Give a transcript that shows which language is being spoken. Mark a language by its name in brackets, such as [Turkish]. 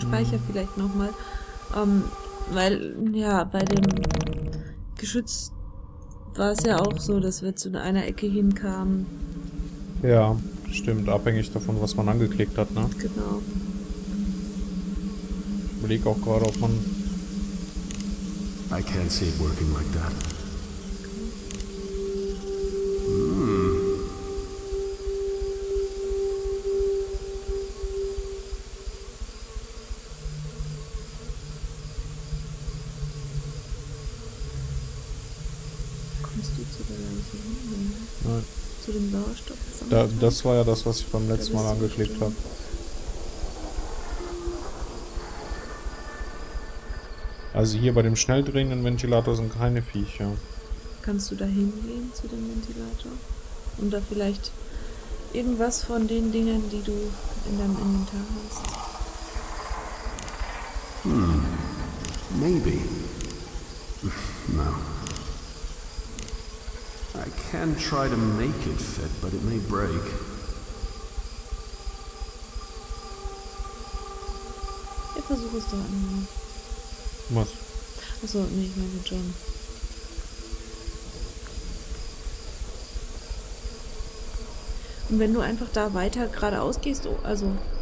[German] Speicher vielleicht nochmal. Weil, ja, bei dem Geschütz war es ja auch so, dass wir zu einer Ecke hinkamen. Ja, stimmt. Abhängig davon, was man angeklickt hat, ne? Genau. Ich überlege auch gerade, ob man... [English] I can't see it working like that. [German] Kommst du zu der Leiche hin? Nein. Zu dem Sauerstoff? Das war ja das, was ich beim letzten Mal angeklickt habe. Also hier bei dem schnell drehenden Ventilator sind keine Viecher. Kannst du da hingehen zu dem Ventilator? Und da vielleicht irgendwas von den Dingen, die du in deinem Inventar hast? [English] Maybe. No. I can try to make it fit, but it may break. [German] Ich versuche es doch einmal. Was? Achso, nee, ich meine John. Und wenn du einfach da weiter geradeaus gehst, oh, also.